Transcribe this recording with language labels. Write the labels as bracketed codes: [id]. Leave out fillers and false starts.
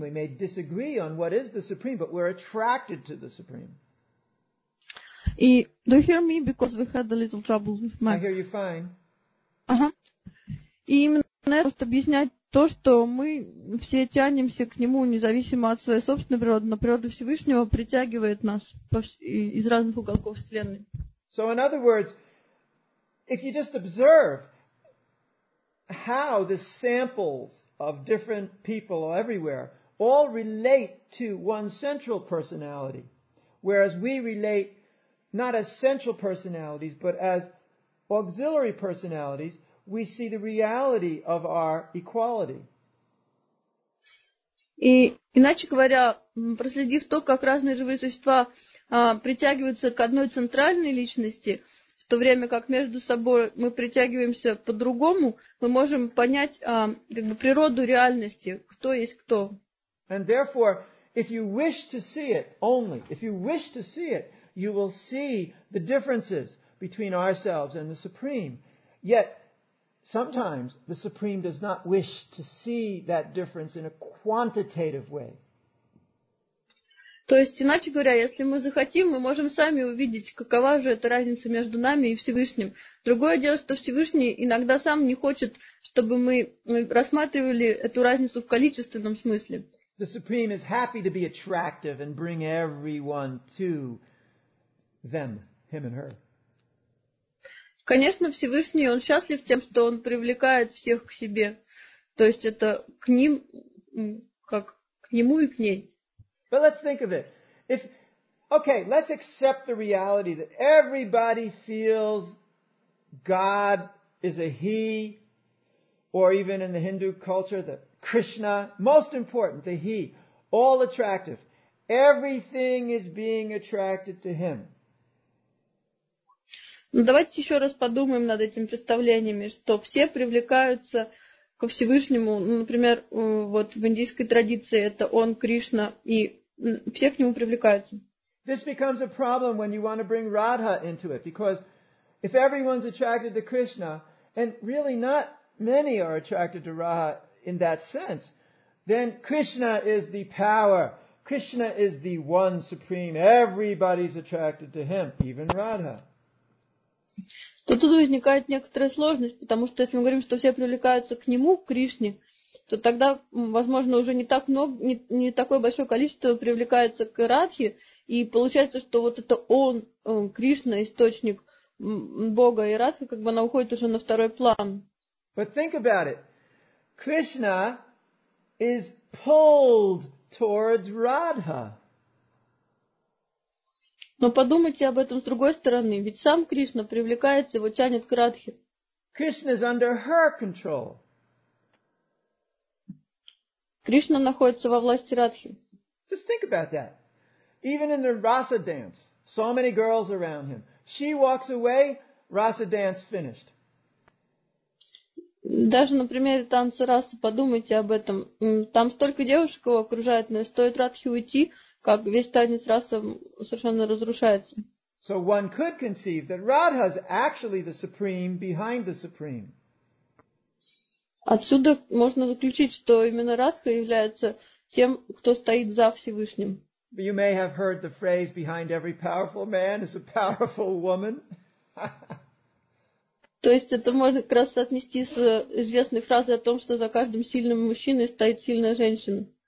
[en] We may disagree on what is the Supreme, but we're attracted to the Supreme. И, do you hear me? Because we had a little trouble with my... I hear you fine. [ru] Uh-huh. И именно это, чтобы объяснять то, что мы все тянемся к нему, независимо от своей собственной природы, но природа Всевышнего притягивает нас из разных уголков Вселенной. [en] So in other words, if you just observe how the samples of different people everywhere all relate to one central personality, whereas we relate not as central personalities but as auxiliary personalities, we see the reality of our equality. [ru] И иначе говоря, проследив то, как разные живые существа притягиваются к одной центральной личности, в то время как между собой мы притягиваемся по-другому, мы можем понять как бы природу реальности, кто есть кто. [en] And therefore, if you wish to see it only, if you wish to see it, you will see the differences between ourselves and the Supreme. Yet, sometimes the Supreme does not wish to see that difference in a quantitative way. [ru] То есть, иначе говоря, если мы захотим, мы можем сами увидеть, какова же эта разница между нами и Всевышним. Другое дело, что Всевышний иногда сам не хочет, чтобы мы рассматривали эту разницу в количественном смысле. [en] The Supreme is happy to be attractive and bring everyone to them, him and her. [ru] Конечно, Всевышний, он счастлив тем, что он привлекает всех к себе. То есть это к ним, как к нему и к ней. [en] But let's think of it. Let's accept the reality that everybody feels God is a he, or even in the Hindu culture, the Krishna, most important, the he, all attractive. Everything is being attracted to him. [ru] Ну, давайте еще раз подумаем над этими представлениями, что все привлекаются ко Всевышнему. Ну, например, вот в индийской традиции это он, Кришна, и все к нему привлекаются. [en] This becomes a problem when you want to bring Radha into it, because if everyone's attracted to Krishna, and really not many are attracted to Radha in that sense, then Krishna is the power. Krishna is the one supreme. Everybody's attracted to him, even Radha. [ru] То тут возникает некоторая сложность, потому что если мы говорим, что все привлекаются к нему, к Кришне, то тогда, возможно, уже не так много, не такое большое количество привлекается к Радхе, и получается, что вот это он, Кришна, источник Бога, и Радха, как бы она уходит уже на второй план. [en] But think about it. Krishna is pulled towards Radha. [ru] Но подумайте об этом с другой стороны, ведь сам Кришна привлекается, его тянет к Радхе. [en] Krishna is under her control. [ru] Кришна находится во власти Радхи. [en] Just think about that. Even in the Rasa dance, so many girls around him. She walks away, Rasa dance finished. [ru] Даже на примере танца Раса, подумайте об этом. Там столько девушек его окружает, но стоит Радхи уйти, как весь танец Раса совершенно разрушается. [en] So one could conceive that Radha is actually the supreme behind the supreme. [ru] Отсюда можно заключить, что именно Радха является тем, кто стоит за Всевышним. [en] But you may have heard the phrase, behind every powerful man is a powerful woman. [ru] То есть это можно как раз соотнести с известной фразой о том, что за каждым сильным мужчиной стоит сильная женщина.